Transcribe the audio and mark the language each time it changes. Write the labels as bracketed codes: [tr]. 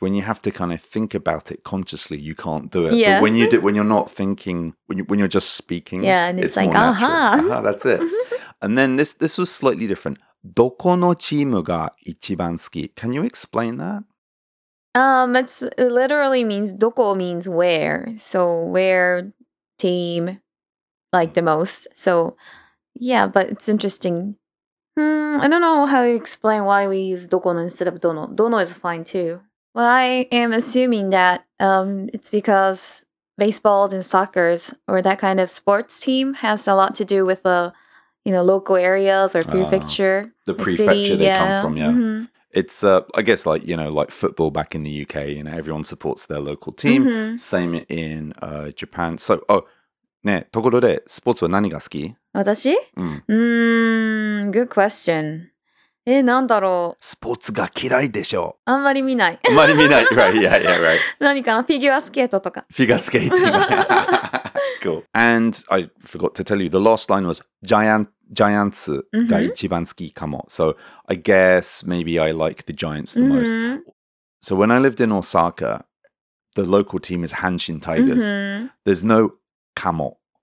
[en] When you have to kind of think about it consciously, you can't do it. Yes. But when you do, when you're not thinking, when you're just speaking, yeah, and it's like, more natural. Uh-huh, that's it. And then this was slightly different. [ja] どこのチームが一番好き? [en] Can you explain that? It literally means, どこ means where. So where team like the most. So yeah, but it's interesting. I don't know how to explain why we use dokono instead of dono. Dono is fine too. Well, I am assuming that it's because baseballs and soccers or that kind of sports team has a lot to do with the, you know, local areas or prefecture. The prefecture city, they come from, yeah. Mm-hmm. It's, I guess, like, you know, like football back in the UK, you know, everyone supports their local team. Mm-hmm. Same in Japan. So, oh, [ja] ne, tokoro de, sports wa nani ga suki? 私? [en] Good question. [ja] なんだろう? スポーツが嫌いでしょう。あんまり見ない。あんまり見ない。 [en] Right, yeah, yeah, right. [ja] 何かな? フィギュアスケートとか。フィギュアスケート。 [en] Cool. And I forgot to tell you, the last line was Giants [ja] が一番好きかも。 [en] So I guess maybe I like the Giants the most. So when I lived in Osaka, the local team is Hanshin Tigers. There's no kamo.